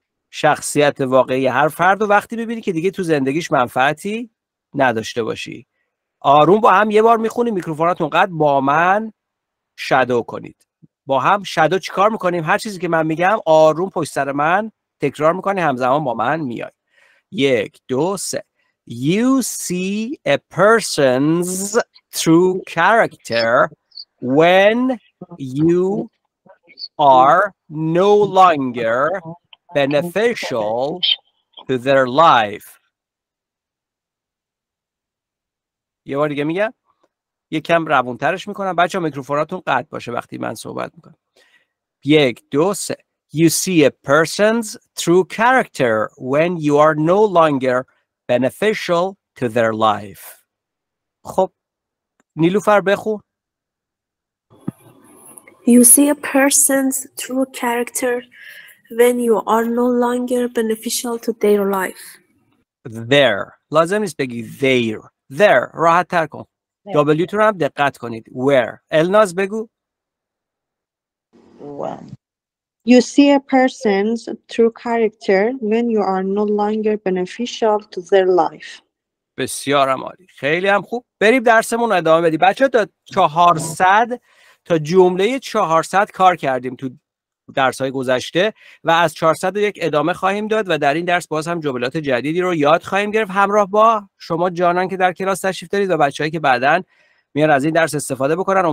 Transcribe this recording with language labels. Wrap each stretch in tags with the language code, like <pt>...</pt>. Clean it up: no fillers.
<fa>شخصیت واقعی هر فرد رو وقتی ببینی که دیگه تو زندگیش منفعتی نداشته باشی. آروم با هم یه بار میخونی، میکروفوناتون قد با من شادو کنید. با هم شادو چیکار میکنیم؟ هر چیزی که من میگم آروم پشت سر من تکرار میکنی، همزمان با من میای. یک، دو، سه.</fa> <en>You see a person's true character when you are no longer beneficial to their life.</en> <fa>یه بار دیگه میگم، یک کم روونترش میکنم. بچه ها میکروفوناتون قطع باشه وقتی من صحبت میکنم. یک، دو، سه.</fa> <en>You see a person's true character when you are no longer beneficial to their life.</en> <fa>خب نیلوفر بخون.</fa> <en>You see a person's true character when you are no longer beneficial to their life.</en> <fa>There، لازم نیست بگی there، there راحت تر کن. W تو رو هم دقت کنید. Where، الناز بگو.</fa> <en>When you see a person's true character when you are no longer beneficial to their life.</en> <fa>بسیار عالی، خیلی هم خوب. بریم درسمون ادامه بدیم. بچه ها تا 400، تا جمله 400 کار کردیم تو درس‌های گذشته و از 401 ادامه خواهیم داد و در این درس باز هم جملات جدیدی رو یاد خواهیم گرفت، همراه با شما جانان که در کلاس تشریف دارید و بچه‌هایی که بعداً میان از این درس استفاده بکنن.</fa>